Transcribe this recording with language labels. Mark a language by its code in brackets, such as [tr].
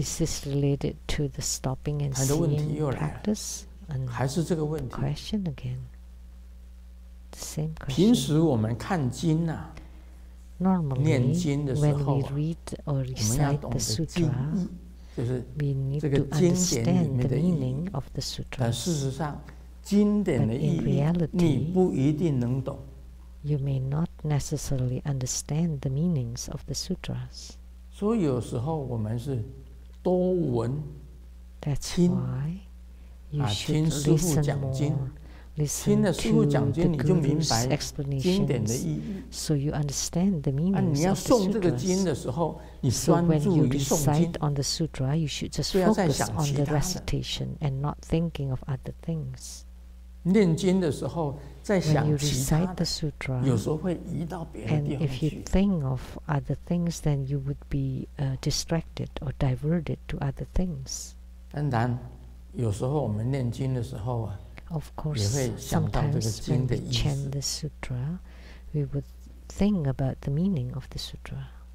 [en] Is this related to the stopping and seeing [zh] 他的问题又来了，还是这个问题？ [en] Question again。 [zh] 平时我们看经啊， [en] Normally, [zh] 念经的时候、啊、 [en] when we read or recite [zh] 我们要懂得经义，就是这个经典里面的意义。但事实上，经典的意义 [en] reality, [zh] 你不一定能懂。 [en] You may not necessarily understand the meanings of the sutras. [zh] 所以有时候我们是多闻，听啊，听师父讲经。听了师父讲经，你就明白经典的意义。 [en] So you understand the meaning of the sutras. [zh] 你要诵这个经的时候，你专注于诵经。 [en] So when you recite on the sutra, you should just focus on the recitation and not thinking of other things. [zh] 念经的时候在想其他的。 [en] When you recite the sutra, [zh] 有时候会移到别的地方去。 [en] And if you think of other things, then you would be distracted or diverted to other things. [zh] 当然，有时候我们念经的时候啊。 [en] Of course, sometimes when we chant the sutra, we would think about the meaning of the sutra.